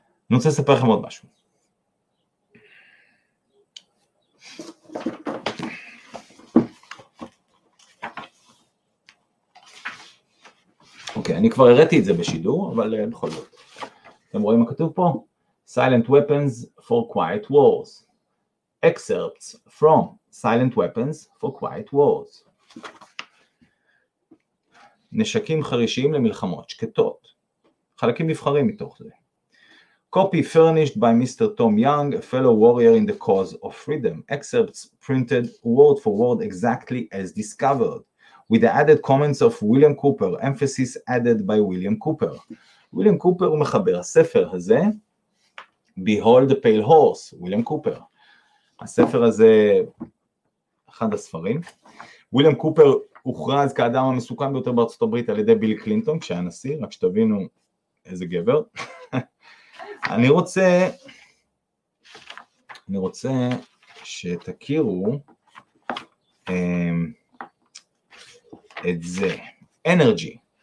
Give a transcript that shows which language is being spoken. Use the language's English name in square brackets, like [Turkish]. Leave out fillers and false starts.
[Hebrew] אני רוצה לספר לכם עוד משהו. אוקיי, אני כבר הראיתי את זה בשידור, אבל בכל זאת. אתם רואים מה כתוב פה? [English] Silent Weapons for Quiet Wars. Excerpts from Silent Weapons for Quiet Wars. [Hebrew] נשקים חרישיים למלחמות שקטות. חלקים נבחרים מתוך זה. [English] Copy furnished by Mr. Tom Young, a fellow warrior in the cause of freedom. Excerpts printed word for word exactly as discovered, with the added comments of William Cooper, emphasis added by William Cooper. [Hebrew] William Cooper הוא מחבר הספר הזה, Behold the Pale Horse, William Cooper. הספר הזה, אחד הספרים. William Cooper הוכרז כאדם המסוכן ביותר בארצות הברית על ידי ביל קלינטון, כשהיה נשיא, רק שתבינו איזה גבר. אני רוצה שתכירו את זה. אנרגי.